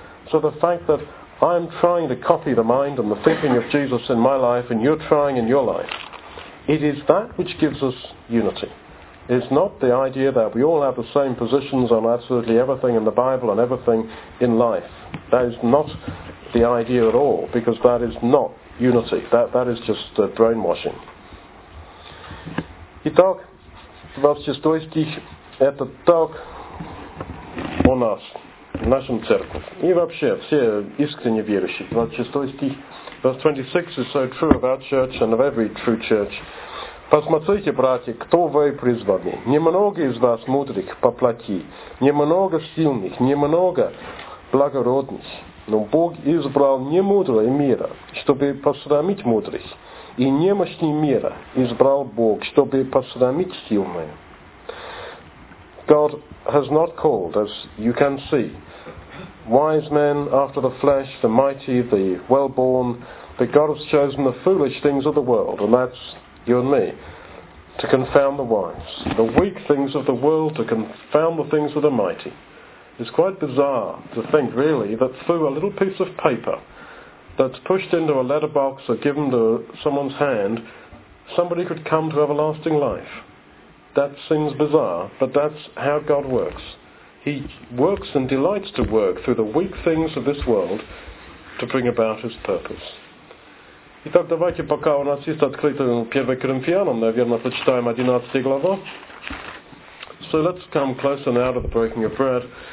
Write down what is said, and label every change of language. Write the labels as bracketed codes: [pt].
[en] So the fact that I'm trying to copy the mind and the thinking of Jesus in my life, and you're trying in your life, it is that which gives us unity. It's not the idea that we all have the same positions on absolutely everything in the Bible and everything in life. That is not the idea at all, because that is not unity. That is just brainwashing. [ru] Итак, вас шестой стих, это так у нас, в нашем церкви. И вообще, все искренне верующие. 26 стих. [en] Verse 26 is so true of our church and of every true church. [ru] Посмотрите, братья, кто вы призваны. Немного из вас мудрых по плоти, немного сильных, немного благородных. Но Бог избрал немудрое мира, чтобы посрамить мудрых, и немощный мира избрал Бог, чтобы посрамить сильные. [en] God has not called, as you can see, wise men after the flesh, the mighty, the well-born, but God has chosen the foolish things of the world, and that's you and me, to confound the wise, the weak things of the world, to confound the things of the mighty. It's quite bizarre to think, really, that through a little piece of paper that's pushed into a letterbox or given to someone's hand, somebody could come to everlasting life. That seems bizarre, but that's how God works. He works and delights to work through the weak things of this world to bring about his purpose. [ru] Итак, давайте пока у нас есть открыто 1 Коринфянам, наверное, прочитаем 11 главу. [en] So let's come closer now to the breaking of bread.